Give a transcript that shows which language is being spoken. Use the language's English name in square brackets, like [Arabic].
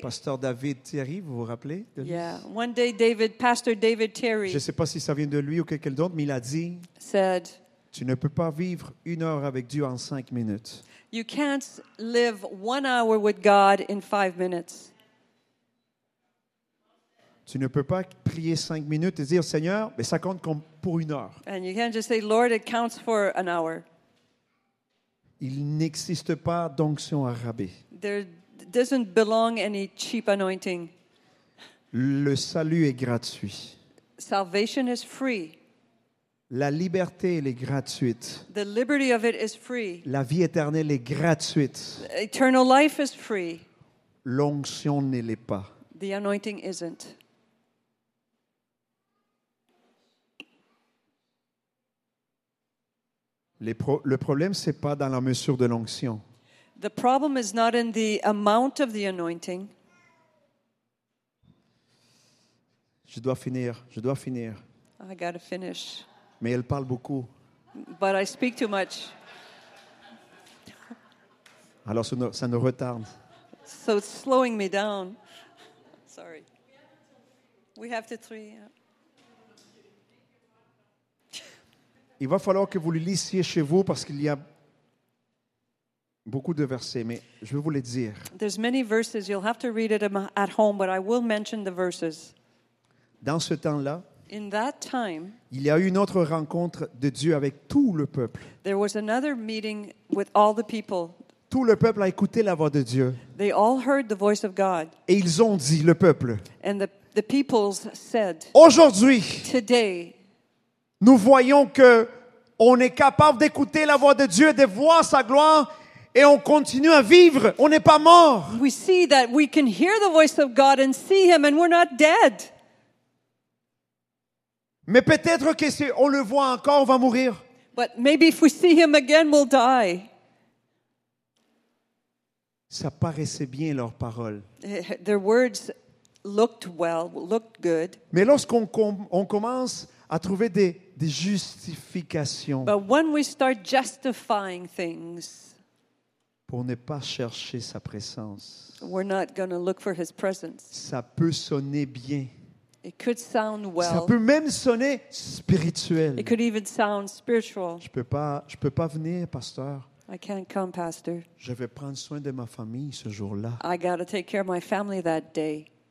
[French] Pasteur David Thierry, vous vous rappelez de lui? [English] Yeah, one day David, Pastor David Thierry. [French] Je ne sais pas si ça vient de lui ou quelqu'un d'autre, mais il a dit. [English] Said. [French] Tu ne peux pas vivre une heure avec Dieu en cinq minutes. [English] You can't live 1 hour with God in 5 minutes. [French] Tu ne peux pas prier 5 minutes et dire, Seigneur, mais ça compte comme pour une heure. [English] And you can't just say, Lord, it counts for an hour. [French] Il n'existe pas d'onction arabe. [English] There doesn't belong any cheap anointing. [French] Le salut est gratuit. [English] Salvation is free. [French] La liberté, elle est gratuite. [English] The liberty of it is free. [French] La vie éternelle est gratuite. [English] Eternal life is free. [French] L'onction ne l'est pas. [English] The anointing isn't. [French] Le problème, ce n'est pas dans la mesure de l'onction. [English] The problem is not in the amount of the anointing. [French] Je dois finir. Je dois finir. [English] I gotta finish. [French] Mais elle parle beaucoup. [English] But I speak too much. [French] Alors ça nous retarde. [English] So it's slowing me down. Sorry. We have to three. [French] Il va falloir que vous le lisiez chez vous parce qu'il y a beaucoup de versets, mais je vais vous les dire. [English] There's many verses. You'll have to read it at home, but I will mention the verses. [French] Dans ce temps-là, [English] in that time, [French] il y a eu une autre rencontre de Dieu avec tout le peuple. [English] There was another meeting with all the people. [French] Tout le peuple a écouté la voix de Dieu. [English] They all heard the voice of God. [French] Et ils ont dit, le peuple. [English] And the peoples said. [French] Aujourd'hui. [English] Today. [French] Nous voyons que on est capable d'écouter la voix de Dieu, de voir sa gloire, et on continue à vivre. On n'est pas mort. [English] We see that we can hear the voice of God and see Him, and we're not dead. [French] Mais peut-être que si on le voit encore, on va mourir. [English] But maybe if we see Him again, we'll die. [French] Ça paraissait bien leurs paroles. [English] Their words looked well, looked good. [French] Mais lorsqu'on commence à trouver des justifications. [English] But when we start justifying things. [French] Pour ne pas chercher sa présence. [English] We're not going to look for His presence. [French] Ça peut sonner bien. [English] It could sound well. [French] Ça peut même sonner spirituel. [English] It could even sound spiritual. [French] Je peux pas venir, pasteur. [English] I can't come, pastor. [French] Je vais prendre soin de ma famille ce jour-là. [English] I got to take care of my family that day.